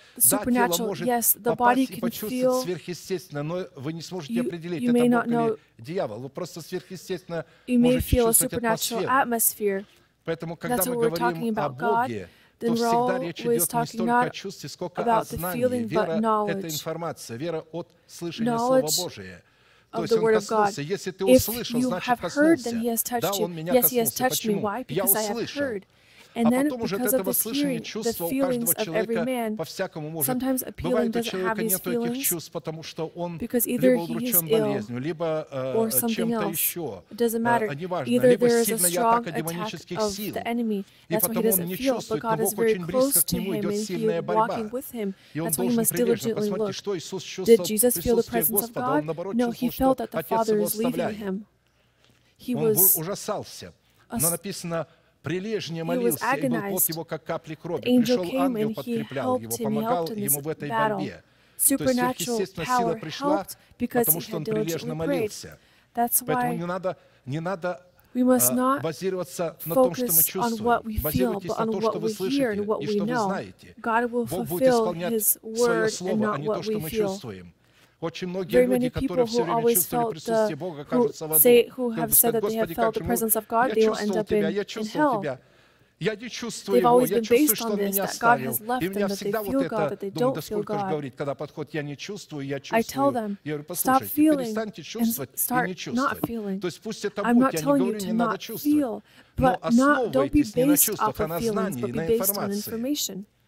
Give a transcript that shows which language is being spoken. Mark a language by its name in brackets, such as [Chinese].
[Russian] Да, тело может попасть и почувствовать сверхъестественное, но вы не сможете определить, это Бог или дьявол. Вы просто сверхъестественно можете чувствовать атмосферу. Поэтому, когда мы говорим о Боге, то всегда речь идет не столько о чувстве, сколько о знании. Вера – это информация, вера от слышания Слова Божия. [English] Of the word of God. If you have heard, then he has touched you. Yes, he has touched me. Why? Because I have heard. And then because of this hearing, the feelings of every man sometimes appealing doesn't have these feelings because either he is ill or something else. It doesn't matter. Either there is a strong attack of the enemy. That's why he doesn't feel, but God is very close to him and he is walking with him. That's why he must diligently look. Did Jesus feel the presence of God? No, he felt that the Father is leaving him. He was [Russian] прилежнее молился, и был пот его, как капли крови. Пришел ангел, подкреплял его, помогал ему в этой борьбе. То есть, естественно, сила пришла, потому что он прилежно молился. Поэтому не надо базироваться на том, что мы чувствуем. Базируйтесь на том, что вы слышите и что вы знаете. Бог будет исполнять свое слово, а не то, что мы чувствуем. Очень многие люди, которые все время чувствовали присутствие Бога, кажутся в аду. [English] Who have said that they have felt the presence of God, they will end up in hell. [Russian] Я чувствовал тебя. Я не чувствую его. Я чувствую, что он меня оставил. И у меня всегда вот это. Думаю, да сколько же говорить, когда подходит, я не чувствую, я чувствую. [English] I tell them, [Russian] я говорю, послушайте, перестаньте чувствовать и не чувствовать. То есть пусть это будет. Я не говорю, не надо чувствовать. Но основывайтесь не на чувствах, а на знании, на информации.